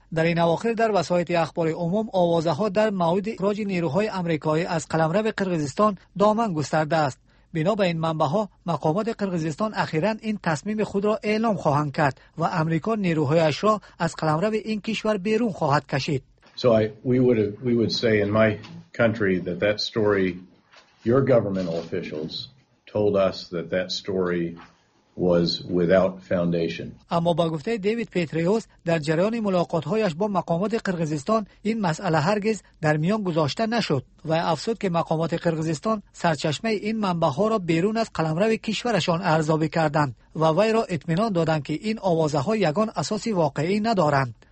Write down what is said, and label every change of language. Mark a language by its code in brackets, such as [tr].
[fa] در این اواخر در وسایط اخبار عموم آوازه ها در مورد اخراج نیروهای آمریکایی از قلمرو قرغیزستان دامن گسترده است. بنابر این منبه ها مقامات قرقیزستان اخیراً این تصمیم خود را اعلام خواهند کرد و امریکا نیروهایش را از قلمرو این کشور بیرون خواهد کشید. [en] So we would say in my country that that story, your governmental officials told us that that story was without foundation. [fa] اما با گفته دیوید پیتریوس در جریان ملاقات‌هایش با مقامات قرقیزستان این مسئله هرگز در میان گذاشته نشد و افسود که مقامات قرقیزستان سرچشمه این منبع‌ها را بیرون از قلمرو کشورشان ارزیابی کردند و وی را اطمینان دادند که این آوازه‌ها یگان اساسی واقعی ندارند.